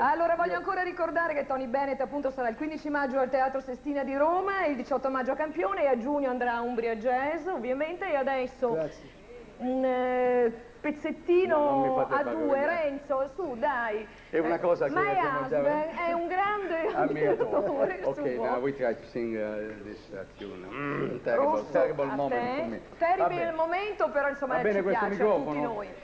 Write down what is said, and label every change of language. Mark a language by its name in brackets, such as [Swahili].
[Italian] Allora voglio ancora ricordare che Tony Bennett appunto sarà il 15 maggio al Teatro Sestina di Roma, il 18 maggio a Campione, e a giugno andrà a Umbria Jazz, ovviamente, e adesso un pezzettino a due, Renzo, su, dai. È una cosa che [English] My husband [Italian] è un grande ammiratore. [English] Ok, now we try to sing this tune. Terrible moment for me. [Italian] Terrible momento, però insomma ci piace a tutti noi.